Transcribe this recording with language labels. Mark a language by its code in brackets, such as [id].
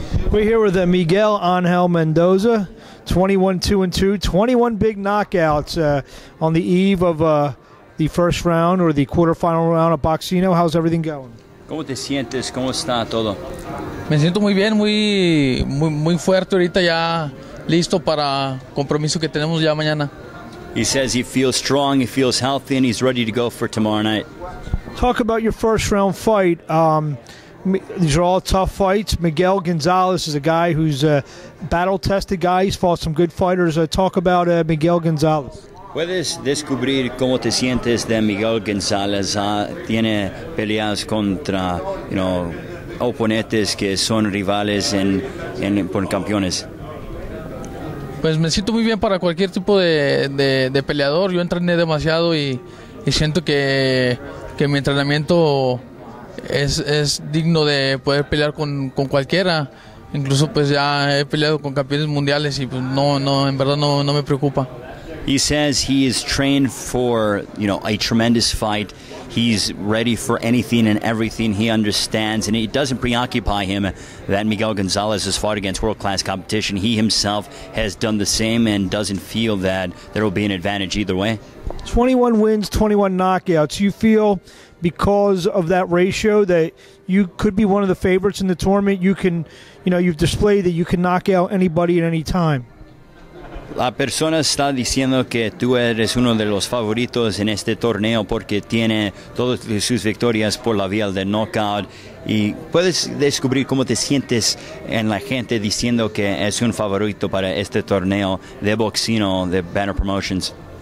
[en] We're here with Miguel Angel Mendoza, 21-2-2, 21 big knockouts on the eve of the first round or the quarterfinal round of Boxcino. How's everything going? [es] ¿Cómo te sientes? ¿Cómo está todo? Me siento muy bien, muy, muy, muy fuerte ahorita ya, listo para compromiso que tenemos ya mañana. [en] He says he feels strong, he feels healthy, and he's ready to go for tomorrow night. Talk about your first round fight. These are all tough fights. Miguel Gonzalez is a guy who's a battle-tested guy. He's fought some good fighters. Talk about Miguel Gonzalez. [es] ¿Puedes descubrir cómo te sientes de Miguel Gonzalez? Tiene peleas contra, you know, oponentes que son rivales en por campeones. Pues me siento muy bien para cualquier tipo de peleador. Yo entrené demasiado y siento que mi entrenamiento es digno de poder pelear con cualquiera. Incluso pues ya he peleado con campeones mundiales y pues no en verdad no me preocupa. [en] He says he is trained for, you know, a tremendous fight. He's ready for anything and everything. He understands, and it doesn't preoccupy him that Miguel Gonzalez has fought against world-class competition. He himself has done the same and doesn't feel that there will be an advantage either way. 21 wins, 21 knockouts. You feel, because of that ratio, that you could be one of the favorites in the tournament? You can, you know, you've displayed that you can knock out anybody at any time. [es] La persona está diciendo que tú eres uno de los favoritos en este torneo porque tiene todas sus victorias por la vía del knockout. ¿Y puedes descubrir cómo te sientes en la gente diciendo que es un favorito para este torneo de Boxcino, de Banner Promotions?